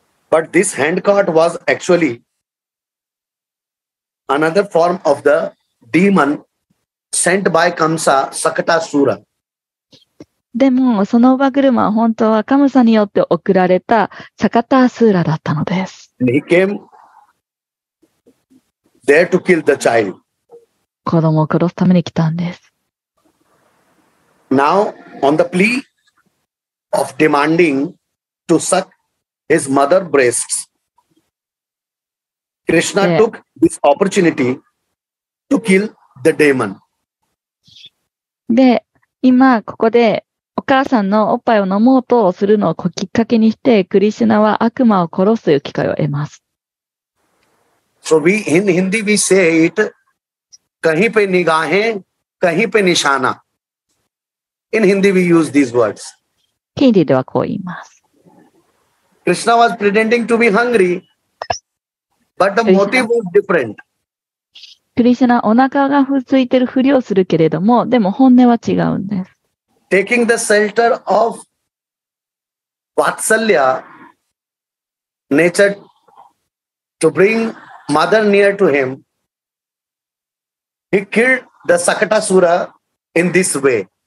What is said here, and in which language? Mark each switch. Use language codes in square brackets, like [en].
[en] But this hand cart was actually another form of the demon sent by Kamsa Sakatasura. [ja] でも、その馬車は本当はカムサによって送られたサカタースーラだったのです。 [en] He came there to kill the child. [ja] 子供を殺すために来たんです。 [en] Now, on the plea of demanding to suck his mother's breasts, Krishna took this opportunity to kill the demon. [ja] で、今ここで お母さんのおっぱいを飲もうとするのをきっかけにして、クリシュナは悪魔を殺すという機会を得ます。 [en] So we in Hindi we say it, [hi] कहीं पे निगाहें, कहीं पे निशाना. [en] In Hindi we use these words. [ja] Hindi ではこう言います。 [en] Krishna was pretending to be hungry, but the motive was different. [ja] クリシュナお腹が空いてるふりをするけれども、でも本音は違うんです。 [en] Taking the shelter of Vatsalya nature to bring mother near to him, he killed the Sakatasura in this way.